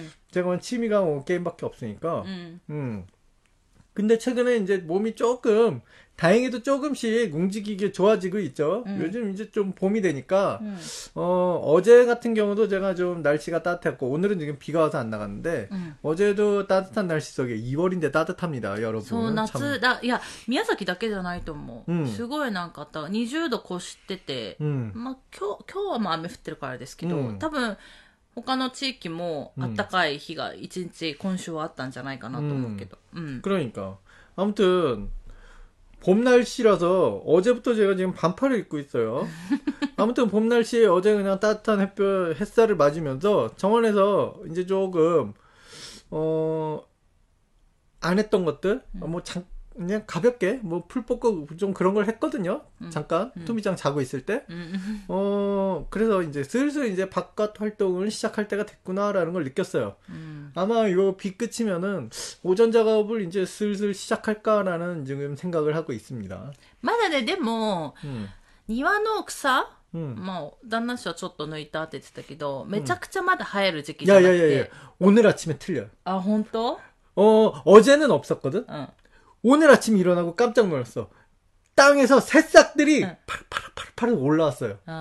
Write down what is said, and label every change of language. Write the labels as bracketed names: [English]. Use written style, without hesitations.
[Korean] 제가 취미가 뭐 게임밖에 없으니까. 근데 최근에 이제 몸이 조금 다행히도 조금씩 움직이게 좋아지고 있죠. 요즘 이제 좀 봄이 되니까 어제 같은 경우도 제가 좀 날씨가 따뜻했고 오늘은 지금 비가 와서 안 나갔는데 어제도 따뜻한 날씨 속에 2월인데 따뜻합니다, 여러분. 참. [Japanese] いや、宮崎だけじゃないと思う。すごいなんかあった。 20度越してて、まあ、今日はまあ雨降ってるからですけど、多分、他の地域も暖かい日が一日今週はあったんじゃないかなと思うけど。 [Korean] 그러니까 아무튼 봄 날씨라서 어제부터 제가 지금 반팔을 입고 있어요. 아무튼 봄 날씨에 어제 그냥 따뜻한 햇볕 햇살을 맞으면서 정원에서 이제 조금 안 했던 것들 뭐 그냥 가볍게 뭐풀 뽑고 좀 그런 걸 했거든요. 잠깐 투미짱 자고 있을 때. 그래서 이제 슬슬 이제 바깥 활동을 시작할 때가 됐구나라는 걸 느꼈어요. 아마 요비 그치면은 오전 작업을 이제 슬슬 시작할까라는 지금 생각을 하고 있습니다. [Japanese] まだね、でも、庭の草、まあ、旦那氏はちょっと抜いたって言ってたけど、めちゃくちゃまだ生える時期じゃなくて。 [Korean] 오늘 아침에 틀려요. [Japanese] 아, 本当？ [Korean] 어제는 없었거든? 오늘 아침에 일어나고 깜짝 놀랐어. 땅에서 새싹들이 파릇파릇파릇 올라왔어요.